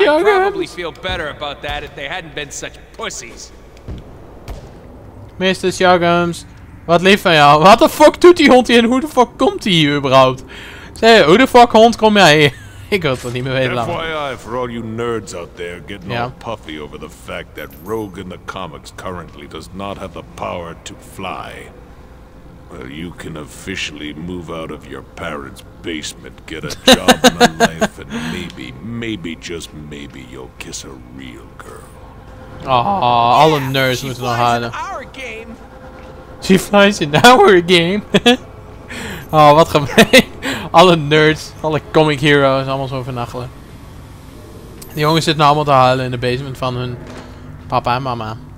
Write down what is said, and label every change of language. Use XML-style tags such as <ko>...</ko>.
<en>I'd probably feel better about that if they hadn't been such pussies.</en> <nl>Mr. Shuggums, wat lief van jou. Wat de fuck doet die hond hier en hoe de fuck komt hij hier überhaupt? Zeg, hoe de fuck hond kom jij hier? Ik wil het wel niet meer weten.</nl> <en>FYI, for all you nerds out there getting all puffy over the fact that Rogue in the comics currently does not have the power to fly. Well, you can officially move out of your parents' basement, get a job and a life, and maybe, maybe, just maybe, you'll kiss a real girl. Oh, all the nerds</en> <nl>moeten nog halen.</nl> <en>She flies in our game. Oh,</en> <nl>wat gemeen. Alle nerds, alle comic heroes, allemaal zo vernachelen. Die jongens zitten allemaal te huilen in de basement van hun papa en mama.</nl>